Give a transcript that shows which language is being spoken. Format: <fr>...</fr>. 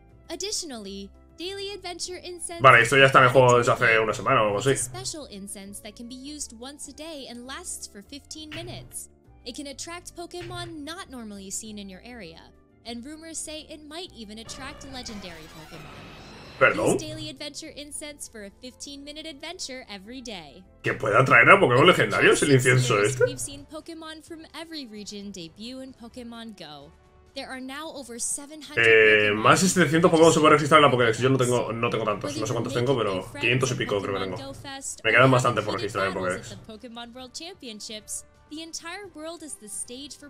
<en>Additionally, daily adventure incense.</en> <es>Vale, esto ya está en el juego desde hace una semana o algo así.</es> <en>Special incense that can be used once a day and lasts for 15 minutes. It can attract Pokémon not normally seen in your area, and rumors say it might even attract legendary Pokémon.</en> <es>Perdón.</es> <en>Daily adventure incense for a 15-minute adventure every day.</en> <es>¿Que pueda atraer a Pokémon legendarios el incienso este?</es> <en>We've seen Pokémon from every region debut in Pokémon Go. There are now over 700.</en> <es>Más de 700 Pokémon se puede registrar en la Pokédex. Yo no tengo tantos. No sé cuántos tengo, pero 500 y pico creo que tengo. Me quedan bastante por registrar en Pokédex.</es> <en>Pokémon World Championships. The entire world is the stage for</en>